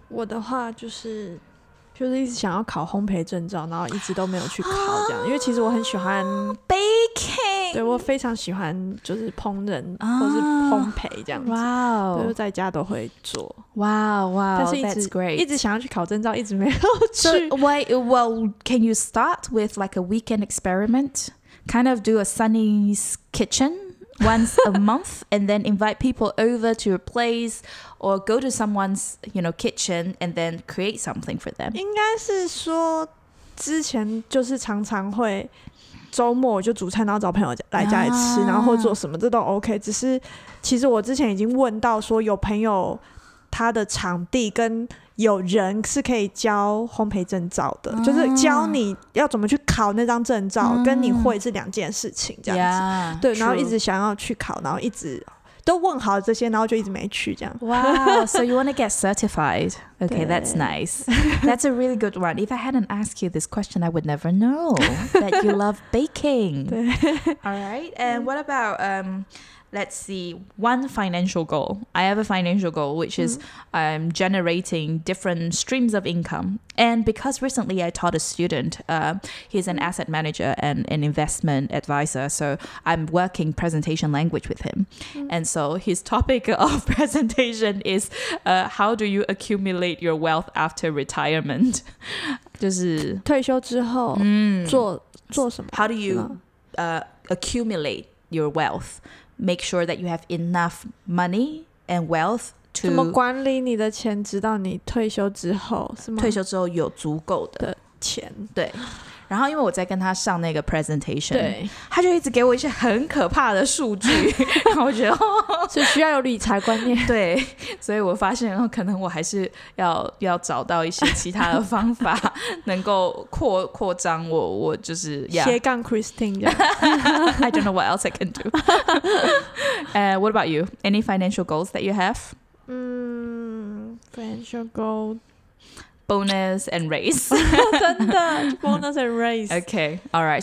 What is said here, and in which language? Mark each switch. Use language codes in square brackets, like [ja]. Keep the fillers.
[zh] 我的话就是就是一直想要考烘焙证照，然后一直都没有去考这样，啊、因为其实我很喜欢 oh, oh, baking，对我非常喜欢就是烹饪、啊、或是烘焙这样子，哇哦，就在家都会做，哇哇，但是一直 oh, wow. [en] wow, wow, great. [zh] 一直想要去考证照，一直没有去。 [en] So, Why? Well, can you start with like a weekend experiment? Kind of do a Sunny's kitchen once a month, and then invite people over to a place, or go to someone's, you know, kitchen, and then create something for them. [zh] 应该是说，之前就是常常会周末就煮菜，然后找朋友来家里吃，然后或做什么这都 OK。只是其实我之前已经问到说，有朋友他的场地跟有人是可以教烘焙证照的，就是教你要怎么去考那张证照，跟你会是两件事情，这样子。对，然后一直想要去考，然后一直都问好这些，然后就一直没去这样。哇， [en] So you want to get certified? Okay, that's nice. That's a really good one. If I hadn't asked you this question, I would never know that you love baking. All right, and what about um? let's see one financial goal i have a financial goal which is i'm mm-hmm. um, generating different streams of income and because recently i taught a student uh, he's an asset manager and an investment advisor so i'm working presentation language with him mm-hmm. and so his topic of presentation is uh, how do you accumulate your wealth after retirement [zh] 就是,退休之后,嗯,做, mm-hmm. [en] how do you uh, accumulate your wealth Make sure that you have enough money and wealth to [zh] 怎么管理你的钱，直到你退休之后是吗？退休之后有足够的钱，对。然后，因为我在跟他上那个 presentation，对，他就一直给我一些很可怕的数据，然后我觉得是需要有理财观念。对，所以我发现，然后可能我还是要要找到一些其他的方法，能够扩扩张我我就是。 [en] y e a r i s t i n I don't know what else I can do. Uh, what about you? Any financial goals that you have? 嗯 financial goals. bonus and race. and race. Okay. All right.